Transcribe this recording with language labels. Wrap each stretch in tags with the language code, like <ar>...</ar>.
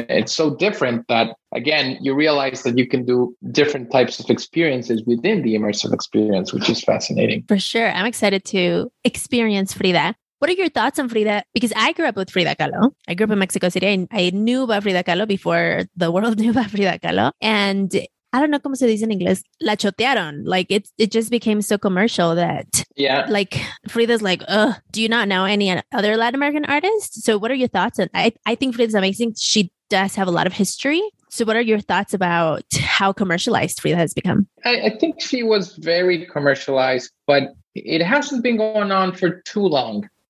<en>And it's so different that, again, you realize that you can do different types of experiences within the immersive experience, which is fascinating. For sure. I'm excited to experience Frida. What are your thoughts on Frida? Because I grew up with Frida Kahlo. I grew up in Mexico City and I knew about Frida Kahlo before the world knew about Frida Kahlo. And I don't know</en> <es>cómo se dice en inglés, la chotearon.</es> <en>Like it just became so commercial that like Frida's like, ugh, do you not know any other Latin American artists? So what are your thoughts? And I think Frida's amazing. She does have a lot of history. So what are your thoughts about how commercialized Frida has become? I think she was very commercialized, but it hasn't been going on for too long.</en>